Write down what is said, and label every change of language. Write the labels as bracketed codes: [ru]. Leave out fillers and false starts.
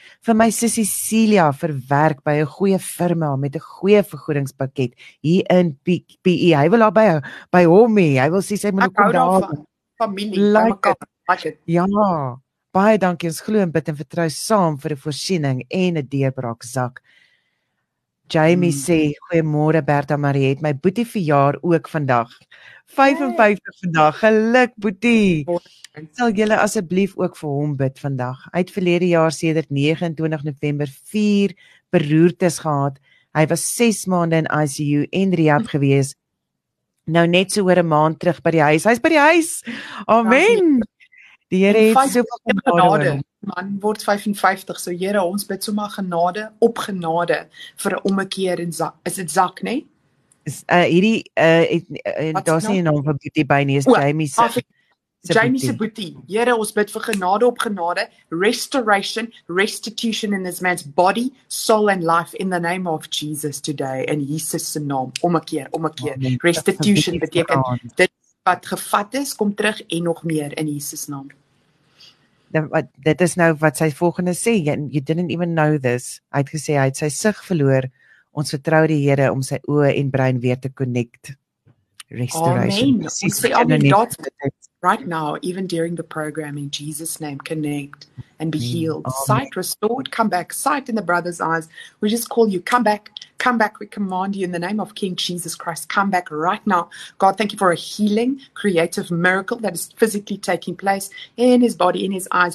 [af] Vir my sussie Celia vir werk by 'n goeie firma met 'n goeie vergoedingspakket hier in PE. Hy wil daar by hom hê. Hy wil sê sy moet kom daar. Familie. [en] Like it. [af] Ja. Baie dankie. Ons glo en bid en vertrou saam vir 'n voorsiening en 'n deurbraak sak. Jamie sê, goeiemôre Bertha Marie, het my boetie verjaar ook vandag. 55 vandag, geluk boetie. Sal julle asseblief ook vir hom bid vandag. Hy het verlede jaar sedert 29 November 4 beroertes gehad. Hy was 6 maande in ICU en rehab gewees. Nou net so oor 'n maand terug by die huis. Hy is by die huis. Amen. Die Here het soveel genade. Man word 55, so Here, ons bid sommer genade op genade vir 'n ommekeer en zak. Is dit Zak, nê? Daar's nie 'n naam vir boetie by nie, is Jamie se. Jamie se boetie. Here, ons bid vir genade op genade, [en] restitution in this man's body, soul and life in the name of Jesus today [af] in Jesus se naam. Ommekeer. Restitution beteken dit wat gevat is, kom terug en nog meer in Jesus naam. Dit is nou wat sy volgende sê, [en] you didn't even know this, [af] hy het gesê, hy het sy sig verloor, ons vertrou die Here om sy oë en brein weer te connect. Restoration. Amen, ons vir al die daad, [en] right now, even during the program, in Jesus' name, connect and be healed. Amen. Sight restored, come back. Sight in the brother's eyes. We just call you, come back. Come back, we command you in the name of King Jesus Christ. Come back right now. God, thank you for a healing, creative miracle that is physically taking place in his body, in his eyes.